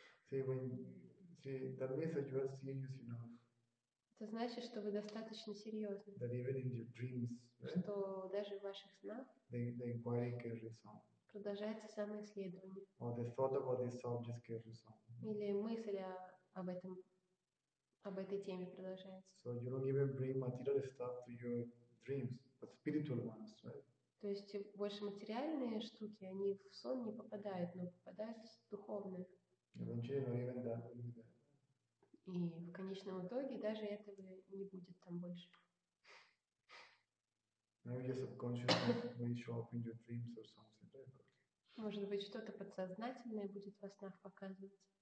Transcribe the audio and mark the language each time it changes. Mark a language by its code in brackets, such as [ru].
[en] See, when see that message was serious enough. [ru] Это значит, что вы достаточно серьезны. [en] That even in your dreams, right? [ru] Что даже в ваших снах [en] the inquiry carries on. [ru] Продолжается самоисследование. [en] Or the thought about this subject carries on. [ru] Или мысль об этом, об этой теме продолжается. [en] So you don't even bring material stuff to your dreams, but spiritual ones, right? [ru] То есть больше материальные штуки, они в сон не попадают, но попадают в духовные. [en] Eventually, not even that. [ru] И в конечном итоге даже этого не будет там больше. [en] Maybe your subconscious may show up in your dreams or something. [ru] Может быть, что-то подсознательное будет во снах показывать.